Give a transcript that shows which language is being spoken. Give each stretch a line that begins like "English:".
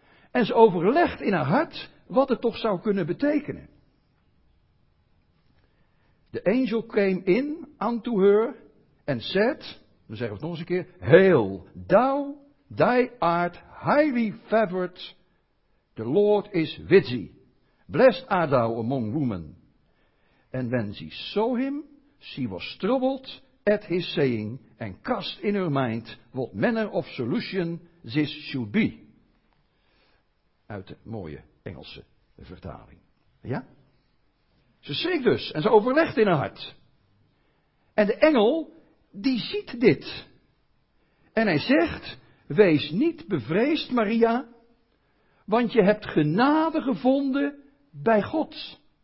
Dutch: En ze overlegt in haar hart wat het toch zou kunnen betekenen.
English: De angel came in unto her en said,
Dutch: dan zeggen we het nog eens een keer,
English: hail, thou art highly favored, the Lord is with thee. Blessed art thou among women. And when she saw him, she was troubled at his saying, and cast in her mind what manner of solution this should be.
Dutch: Uit de mooie Engelse vertaling. Ja? Ze schrikt dus en ze overlegt in haar hart. En de engel, die ziet dit. En hij zegt: wees niet bevreesd, Maria, want je hebt genade gevonden bij God.